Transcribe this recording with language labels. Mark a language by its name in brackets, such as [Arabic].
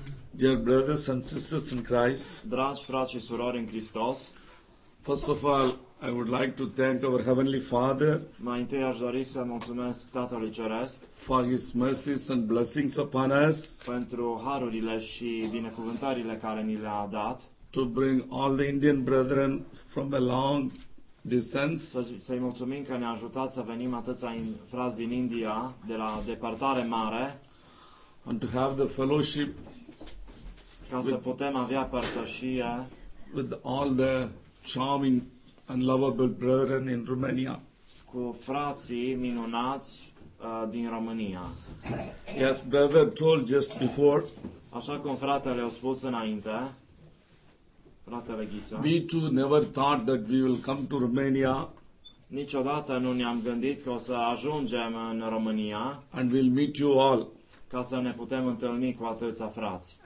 [English] Dear brothers and sisters in Christ, [Romanian] dragi frați și surori în Hristos, [English] first of all, I would like to thank our Heavenly Father, [Romanian] mai întâi aș dori să mulțumesc Tatălui Ceresc, [English] for His mercies and blessings upon us, [Romanian] pentru harurile și binecuvântările care ni le-a dat, [English] to bring all the Indian brethren from a long distance, [Romanian] să-i mulțumim că ne-a ajutat să venim atâția frați din India, de la depărtare mare, [English] and to have the fellowship, [Romanian] ca să putem avea părtășie [English] with all the charming and lovable brethren in Romania. [Romanian] Cu frații minunați din România. [English] Yes, brother told just before. [Romanian] Așa cum fratele a spus înainte. Fratele Ghiță. [English] We too never thought that we will come to Romania. [Romanian] Niciodată nu ne-am gândit că o să ajungem în România. [English] And we'll meet you all. [Romanian] Ca să ne putem întâlni cu atâția frați.